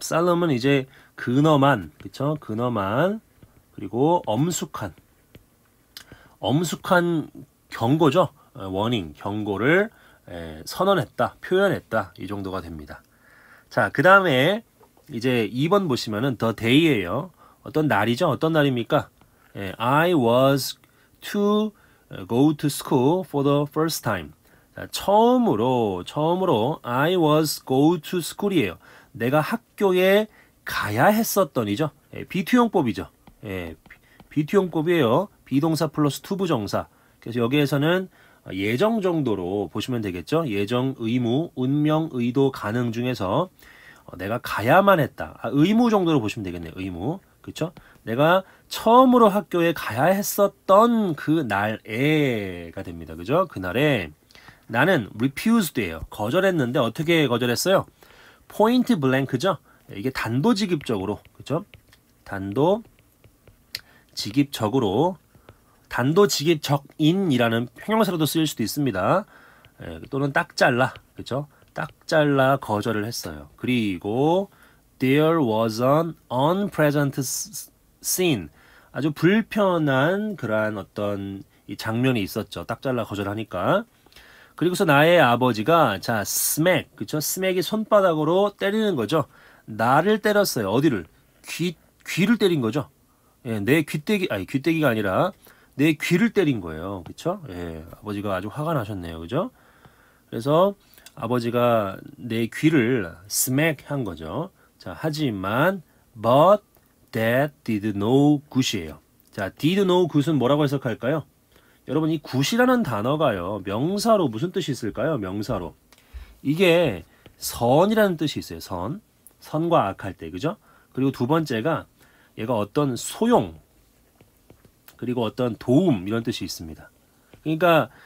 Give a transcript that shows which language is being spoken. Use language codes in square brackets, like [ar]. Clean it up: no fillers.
[ko] solemn은 이제 근엄한, 그쵸? 근엄한, 그리고 엄숙한. 엄숙한 경고죠. warning, 경고를 예, 선언했다, 표현했다. 이 정도가 됩니다. 자, 그 다음에 이제 2번 보시면은 [en] the day [ko] 예요. 어떤 날이죠? 어떤 날입니까? 예, [en] I was to go to school for the first time. [ko] 자, 처음으로 [en] I was go to school이에요. [ko] 내가 학교에 가야 했었더니죠. 예, be2형법이죠. 예, be2형법이에요. 비동사 플러스 to 부정사. 그래서 여기에서는 예정 정도로 보시면 되겠죠. 예정, 의무, 운명, 의도, 가능 중에서 내가 가야만 했다. 아, 의무 정도로 보시면 되겠네요. 의무. 그쵸? 내가 처음으로 학교에 가야 했었던 그 날에가 됩니다. 그죠? 그날에 나는 refused예요. 거절했는데 어떻게 거절했어요? [en] point blank [ko] 죠? 이게 단도직입적으로. 그쵸? 단도직입적으로. 단도직입적인이라는 형용사로도 쓰일 수도 있습니다. 예, 또는 딱 잘라. 그쵸? 딱 잘라 거절을 했어요. 그리고 [en] there was an unpleasant scene. [ko] 아주 불편한 그러한 어떤 이 장면이 있었죠. 딱 잘라 거절하니까. 그리고서 나의 아버지가 자 smack, 그쵸? smack이 손바닥으로 때리는 거죠. 나를 때렸어요. 어디를? 귀를 때린 거죠. 예, 내 귀때기가 아니라 내 귀를 때린 거예요. 그쵸? 예, 아버지가 아주 화가 나셨네요. 그죠? 그래서 아버지가 내 귀를 smack 한 거죠. 자, 하지만 [en] but that did no good이에요. [ko] 자, did no good은 뭐라고 해석할까요? 여러분, 이 good이라는 단어가요, 명사로 무슨 뜻이 있을까요? 명사로. 이게 선이라는 뜻이 있어요. 선. 선과 악할 때, 그죠? 그리고 두 번째가 얘가 어떤 소용, 그리고 어떤 도움, 이런 뜻이 있습니다. 그러니까